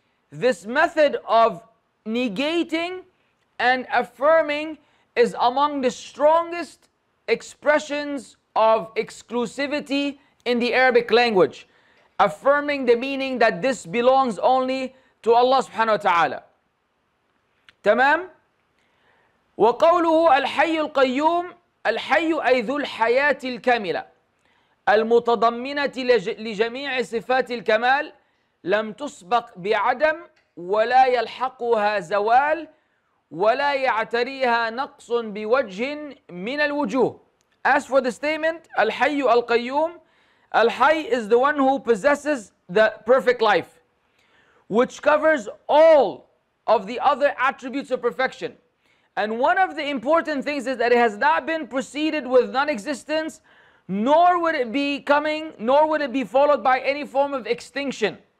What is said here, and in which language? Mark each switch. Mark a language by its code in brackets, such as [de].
[en] This method of negating and affirming is among the strongest expressions of exclusivity in the Arabic language, affirming the meaning that this belongs only to Allah subhanahu wa ta'ala. Tamam? [ar] وقوله الحي القيوم الحي أي ذو الحياة الكاملة المتضمنة لجميع صفات الكمال لم تسبق بعدم ولا يلحقها زوال ولا يعتريها نقص بوجه من الوجوه. [en] As for the statement, الحي القيوم, الحي is the one who possesses the perfect life, which covers all of the other attributes of perfection. And one of the important things is that it has not been preceded with non-existence, nor would it be coming, nor would it be followed by any form of extinction.